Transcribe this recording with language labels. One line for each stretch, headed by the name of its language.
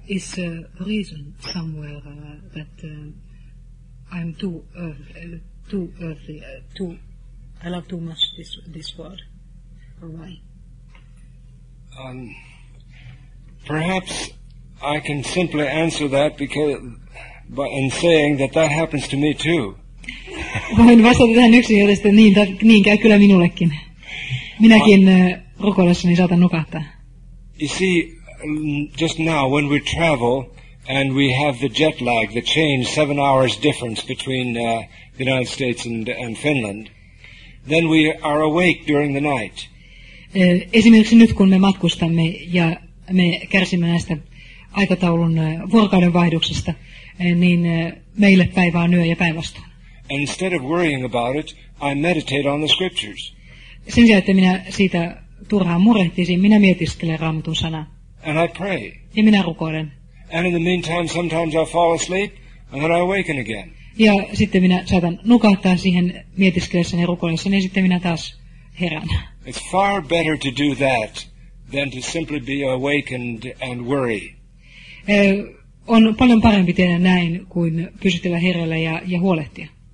English: Is a reason somewhere that I'm too earthy, I love too much this world? Or why? Perhaps I can simply answer that in saying that happens to me too.
Finnish: Voin vastata tähän yksinkertaisesti, niin käy kyllä minullekin. Minäkin rukoillessani saatan nukahtaa.
English: You see, just now when we travel and we have the jet lag, the change, 7 hours difference between the United States and Finland, then we are awake during the night.
Finnish: Esimerkiksi nyt kun me matkustamme ja me kärsimme näistä aikataulun vuorokauden vaihduksesta, niin meille päivä on yö ja päinvastoin.
English: And instead of worrying about it, I meditate on the scriptures.
Finnish: Sen sijaan, että minä siitä turhaan murehtisin, minä mietiskelen Raamatun sanaa.
English: And I pray.
Finnish: Ja minä rukoilen.
English: And in the meantime, sometimes I fall asleep, and then I awaken again.
Finnish: Ja sitten minä saatan nukahtaa siihen mietiskelessäni ja rukoillessani, ja sitten minä taas herään.
English: It's far better to do that than to simply be awakened and worry.
Finnish: On paljon parempi tehdä näin kuin pysytellä hereillä ja huolehtia.